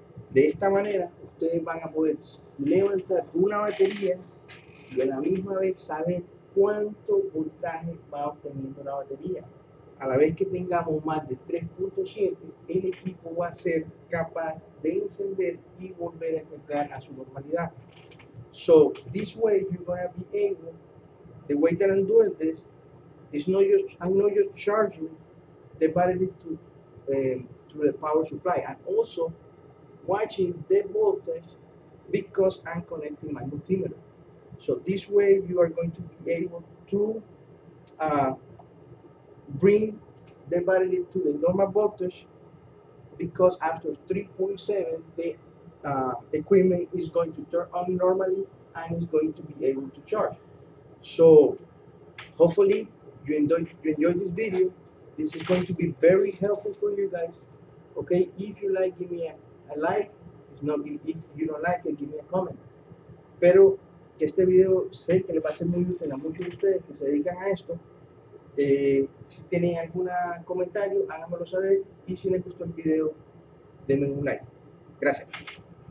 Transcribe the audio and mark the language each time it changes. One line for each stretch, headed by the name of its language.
Spanish: De esta manera ustedes van a poder levantar una batería y a la misma vez saber cuánto voltaje va obteniendo la batería. A la vez que tengamos más de 3.7, el equipo va a ser capaz de encender y volver a enfocar a su normalidad.
English: So this way you're going to be able, the way that I'm doing this, it's not just, I'm not just charging the battery through the power supply. I'm also watching the voltage because I'm connecting my multimeter. So this way you are going to be able to bring the battery to the normal voltage, because after 3.7 the equipment is going to turn on normally and is going to be able to charge. So hopefully you enjoy this video. This is going to be very helpful for you guys. Okay, if you like, give me a like. If you don't like it, give me a comment.
Spanish: Pero que este video sé que le va a ser muy útil a muchos de ustedes que se dedican a esto. Si tienen algún comentario, háganmelo saber. Y si les gustó el video, denme un like. Gracias.